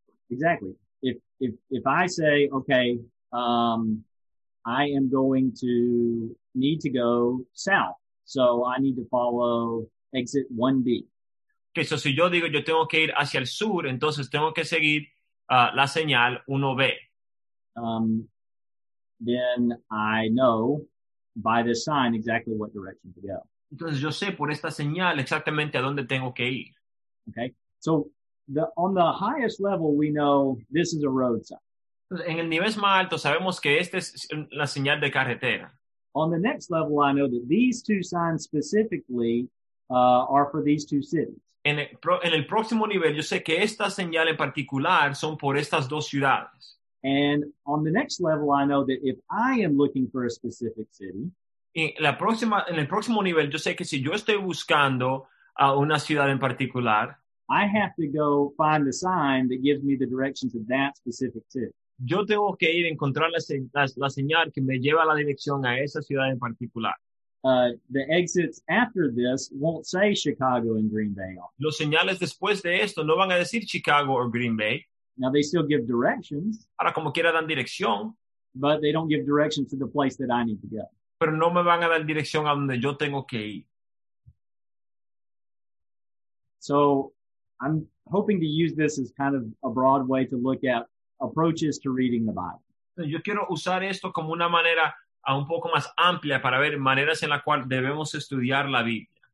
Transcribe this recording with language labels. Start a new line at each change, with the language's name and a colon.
English: Exactly. If I say, okay, I am going to need to go south, so I need to follow exit 1B.
Spanish: Okay, so si yo digo yo tengo que ir hacia el sur, entonces tengo que seguir la señal 1B.
English: Then I know by this sign exactly what direction to go.
Spanish: Entonces yo sé por esta señal exactamente a dónde tengo que ir.
English: Okay. So on the highest level we know this is a road sign.
Spanish: En el nivel más alto sabemos que esta es la señal de carretera.
English: On the next level, I know that these two signs specifically are for these two cities.
Spanish: En el próximo nivel, yo sé que esta señal en particular son por estas dos ciudades.
English: And on the next level, I know that if I am looking for a specific city,
Spanish: en el próximo nivel, yo sé que si yo estoy buscando a una ciudad en particular,
English: I have to go find a sign that gives me the directions of that specific city.
Spanish: Yo tengo que ir a encontrar la señal que me lleva a la dirección a esa ciudad en particular.
English: The exits after this won't say Chicago and Green Bay.
Spanish: Los señales después de esto no van a decir Chicago or Green Bay.
English: Now they still give directions.
Spanish: Ahora como quiera dan dirección.
English: But they don't give directions to the place that I need to go.
Spanish: Pero no me van a dar dirección a donde yo tengo que ir.
English: So I'm hoping to use this as kind of a broad way to look at approaches to reading the Bible.
Spanish: Yo quiero usar esto como una manera un poco más amplia para ver maneras en la cual debemos estudiar la Biblia.